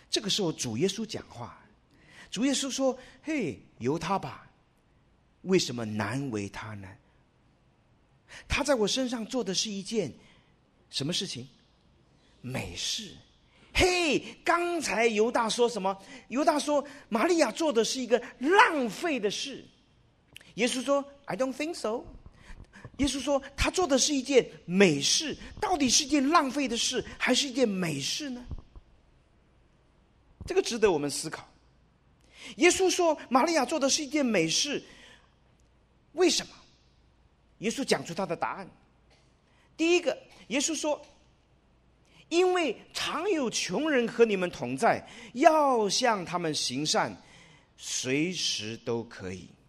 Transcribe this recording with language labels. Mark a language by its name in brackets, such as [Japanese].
[Chinese] 这个时候主耶稣讲话，主耶稣说，嘿，由他吧，为什么难为他呢？他在我身上做的是一件什么事情？美事。嘿，刚才犹大说什么？犹大说玛利亚做的是一个浪费的事。 [English] 耶稣说 I don't think so。 [Chinese] 耶稣说他做的是一件美事，到底是一件浪费的事还是一件美事呢？这个值得我们思考。耶稣说玛利亚做的是一件美事，为什么？耶稣讲出他的答案。第一个，耶稣说，因为常有穷人和你们同在，要向他们行善，随时都可以。